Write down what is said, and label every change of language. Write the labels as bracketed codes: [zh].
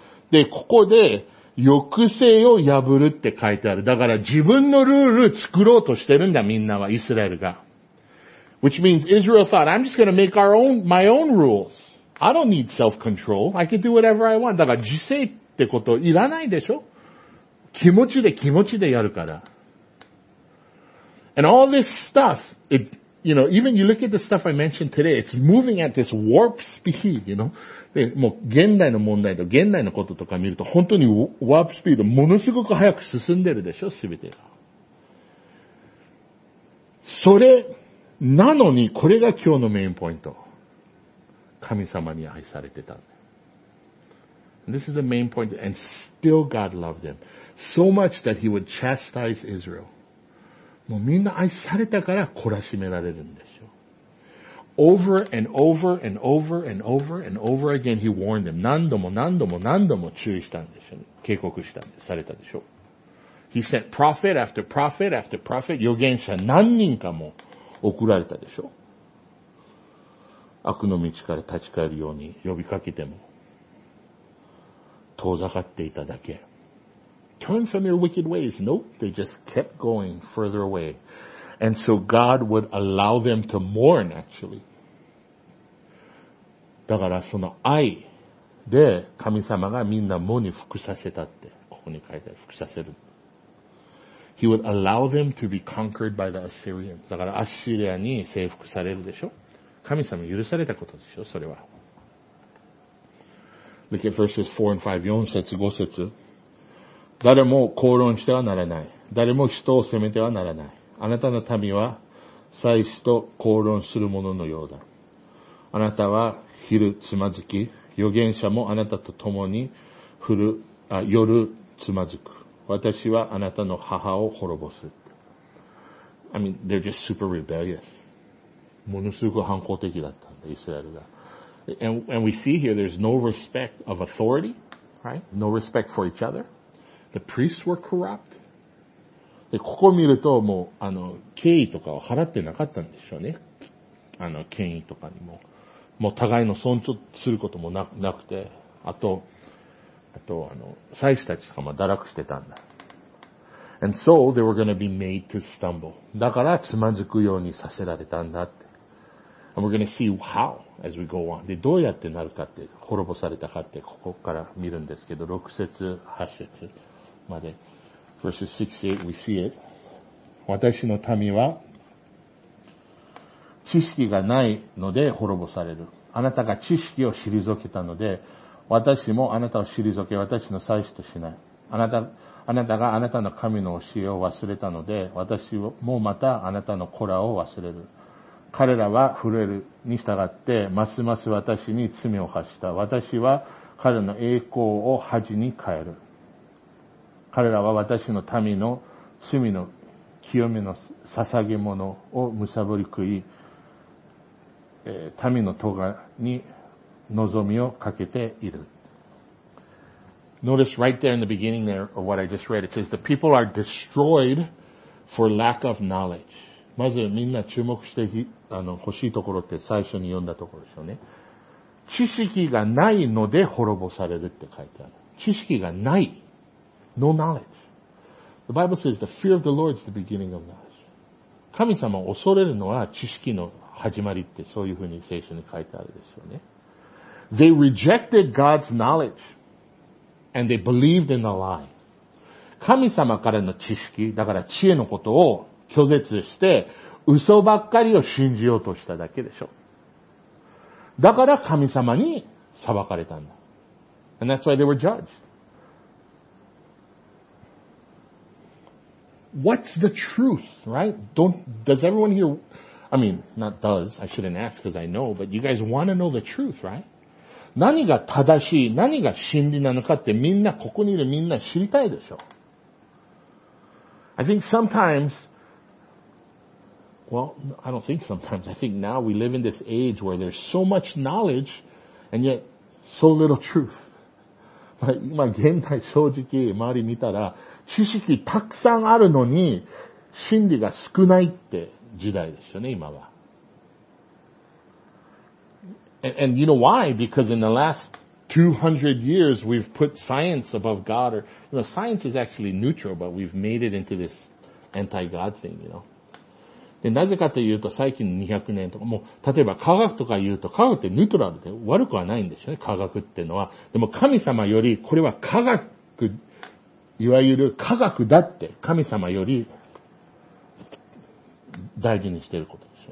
[ja] で、ここで、抑制を破るって書いてある。だから自分のルール作ろうとしてるんだ、みんなは、イスラエルが。 [en] Which means Israel thought, I'm just gonna make my own rules. I don't need self-control. I can do whatever I want. [ja] だから自制ってこといらないでしょ? 気持ちでやるから。 [en] And all this stuff, even you look at the stuff I mentioned today, it's moving at this warp speed, you know? [ja] で、もう現代の問題と現代のこととか見ると本当にワープスピードものすごく速く進んでるでしょ、すべてが。それなのにこれが今日のメインポイント。神様に愛されてた。 [en] This is the main point, and still God loved them so much that he would chastise Israel. [ja] もうみんな愛されたから懲らしめられるんです。 [en] Over and over and over and over and over again, he warned them. [ja] 何度も何度も何度も注意したんでしょ。警告したんで、されたでしょ。 [en] He sent prophet after prophet after prophet, [ja] 預言者何人かも送られたでしょ。悪の道から立ち返るように呼びかけても、遠ざかっていただけ。 [en] Turn from your wicked ways. Nope, they just kept going further away. And so God would allow them to mourn, actually. [ja] だからその愛で神様がみんな喪に服させたって、ここに書いてある、服させる。 [en] He would allow them to be conquered by the Assyrians. [ja] だからアッシリアに征服されるでしょ。神様許されたことでしょ、それは。 [en] Look at verses 4 and 5, [ja] 4節、5節。誰も口論してはならない。誰も人を責めてはならない。あなたの民は祭司と口論する者のようだ。あなたは昼つまずき、預言者もあなたと共に夜つまずく。私はあなたの母を滅ぼす。 [en] I mean, they're just super rebellious. [ja] ものすごく反抗的だったんだ、イスラエルが。 [en] And we see here there's no respect of authority, right? No respect for each other. The priests were corrupt. [ja] でここを見るともう敬意とかを払ってなかったんでしょうね。権威とかにももう互いの尊重することもなくて、あと祭司たちとかも堕落してたんだ。 [en] And so they were going to be made to stumble. [ja] だからつまずくようにさせられたんだって。 [en] And we're going to see how as we go on. [ja] でどうやってなるかって滅ぼされたかってここから見るんですけど、6節8節まで。 [en] Verses 6 to 8, we see it. [ja] 私の民は知識がないので滅ぼされる。あなたが知識を退けたので、私もあなたを退け、私の祭司としない。あなたがあなたの神の教えを忘れたので、私もまたあなたの子らを忘れる。彼らは震えるに従って、ますます私に罪を犯した。私は彼の栄光を恥に変える。彼らは私の民の罪の清めの捧げ物をむさぼり食い、民の咎に望みをかけている。 [en] Notice right there in the beginning there of what I just read. It says the people are destroyed for lack of knowledge. [ja] まずみんな注目して欲しいところって最初に読んだところでしょうね。知識がないので滅ぼされるって書いてある。知識がない。 [en] No knowledge. The Bible says the fear of the Lord is the beginning of knowledge. [ja] 神様を恐れるのは知識の始まりってそういうふうに聖書に書いてあるでしょうね。 [en] They rejected God's knowledge. And they believed in a lie. [ja] 神様からの知識、だから知恵のことを拒絶して嘘ばっかりを信じようとしただけでしょ。だから神様に裁かれたんだ。 [en] And that's why they were judged. What's the truth, right? Does everyone here, I mean, not does, I shouldn't ask because I know, but you guys want to know the truth, right? [ja] 何が正しい、何が真理なのかってみんな、ここにいるみんな知りたいでしょ。 [en] I think sometimes, well, I don't think sometimes. I think now we live in this age where there's so much knowledge and yet so little truth. [ja] 今現代正直周り見たら知識たくさんあるのに真理が少ないって時代ですよね、今は。 [en] And you know why? Because in the last 200 years we've put science above God, or, you know, science is actually neutral, but we've made it into this anti-God thing, you know. [ja] で、なぜかというと最近200年とか、もう、例えば科学とか言うと、科学ってニュートラルで悪くはないんですよね、科学ってのは。でも神様より、これは科学、いわゆる科学だって神様より大事にしていること。